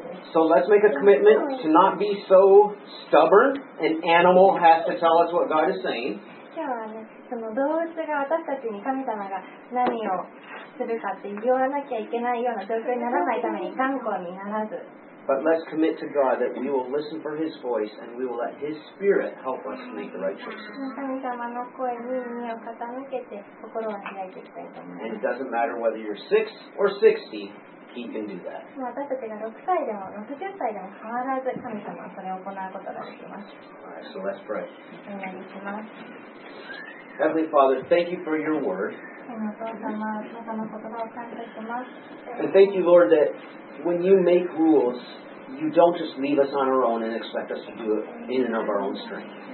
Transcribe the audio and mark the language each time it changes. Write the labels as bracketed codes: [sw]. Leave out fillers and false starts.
[en] So let's make a commitment to not be so stubborn. An animal has to tell us what God is saying. [ja] その動物が私たちに神様が何をするかって言わなきゃいけないような状況にならないために頑固にならず。 [en] But let's commit to God that we will listen for His voice and we will let His Spirit help us to make the right choices. [ja] 神様の声に耳を傾けて心を開いていきたいと思います。 [en] And it doesn't matter whether you're 6 or 60, He can do that. [ja] 私たちが6歳でも60歳でも変わらず神様はそれを行うことができます。 [en] Alright, so let's pray. [ja] お願いします。 [en] Heavenly Father, thank you for your word. And thank you, Lord, that when you make rules, you don't just leave us on our own and expect us to do it in and of our own strength.